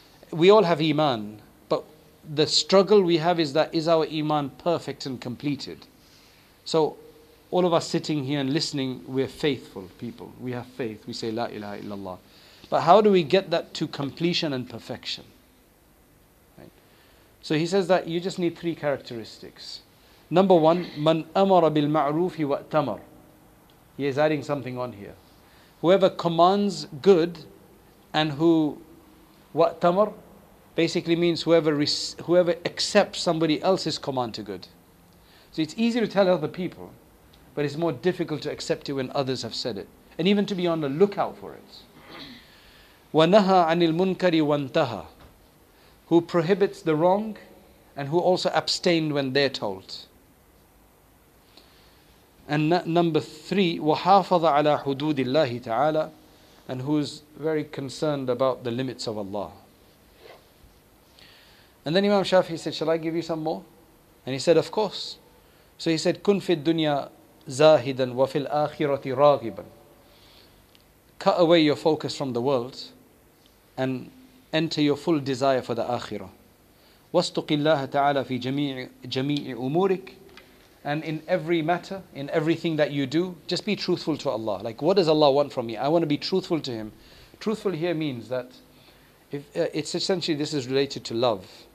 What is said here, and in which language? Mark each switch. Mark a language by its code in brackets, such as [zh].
[en] We all have iman, but the struggle we have is that, is our iman perfect and completed? So all of us sitting here and listening, we're faithful people. We have faith. We say, La ilaha illallah. But how do we get that to completion and perfection? Right. So he says that you just need three characteristics. Number one, [ar] من أمر بالمعروف وأتمر. [en] He is adding something on here. Whoever commands good and who وأتمر basically means whoever accepts somebody else's command to good. So it's easy to tell other people, but it's more difficult to accept it when others have said it. And even to be on the lookout for it. [ar] وَنَهَى عَنِ الْمُنْكَرِ وَانْتَهَى. [en] Who prohibits the wrong and who also abstained when they're told. And number three, [ar] وَحَافَظَ عَلَىٰ حُدُودِ اللَّهِ تَعَالَىٰ. [en] And who's very concerned about the limits of Allah. And then Imam Shafi said, shall I give you some more? And he said, of course. So he said, [ar] كُنْ فِي الدُّنْيَا زَاهِدًا وَفِي الْآخِرَةِ رَاغِبًا. [en] Cut away your focus from the world and enter your full desire for the Akhirah. [ar] وَاسْتُقِ اللَّهَ تَعَالَىٰ فِي جَمِيعِ أُمُورِكِ. [en] And in every matter, in everything that you do, just be truthful to Allah. Like, what does Allah want from me? I want to be truthful to Him. Truthful here means that it's essentially, this is related to love.